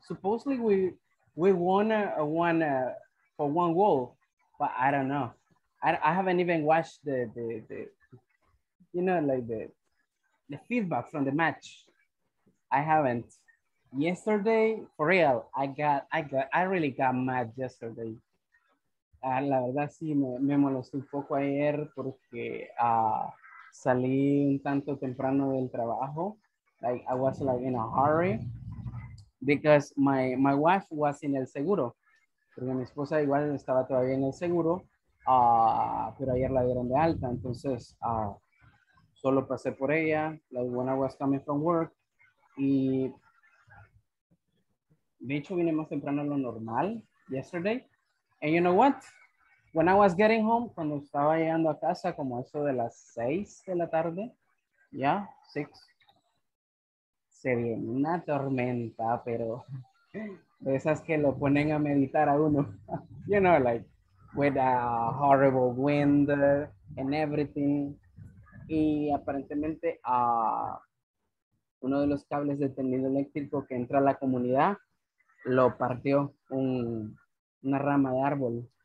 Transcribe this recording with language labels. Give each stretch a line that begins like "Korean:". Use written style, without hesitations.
English: Supposedly we won for one goal, but I don't know. I haven't even watched the you know, like the feedback from the match. I haven't. Yesterday, for real, I really got mad yesterday.
Spanish: La verdad sí me molesté un poco ayer porque salí un tanto temprano del trabajo.
English: Like, I was like in a hurry because my wife was in
Spanish: el seguro. Porque mi esposa igual estaba todavía en el seguro, pero ayer la dieron de alta. Entonces, solo pasé por ella.
English: Like, when I was coming from work.
Spanish: Y de hecho, vine más temprano de lo normal
English: yesterday. And you know what? When I was getting home,
Spanish: cuando estaba llegando a casa, como eso de las 6 de la tarde, ya, 6. Se viene una tormenta, pero de esas que lo ponen a meditar a uno.
English: You know, like, with a horrible wind and everything.
Spanish: Y aparentemente, uno de los cables de tendido eléctrico que entra a la comunidad lo partió una rama de árbol.